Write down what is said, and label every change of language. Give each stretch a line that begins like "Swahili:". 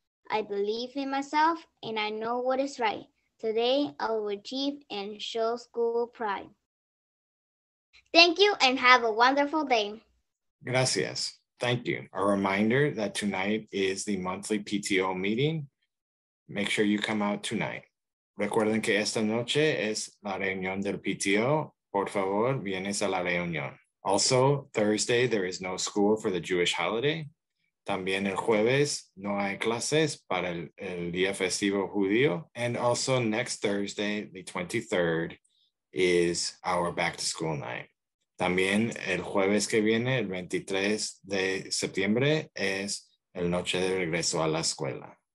English: I believe in myself and I know what is right. Today I will achieve and show school pride. Thank you and have a wonderful day. Gracias. Thank you. A reminder that tonight is the monthly PTO meeting. Make sure you come out tonight.
Spanish: Recuerden que esta noche es la reunión del PTO. Por favor, vienes a la reunión.
English: Also, Thursday, there is no school for the Jewish holiday.
Spanish: También el jueves, no hay clases para el día festivo judío.
English: And also next Thursday, the 23rd, is our back to school night.
Spanish: También el jueves que viene, el 23 de septiembre, es el noche de regreso a la escuela.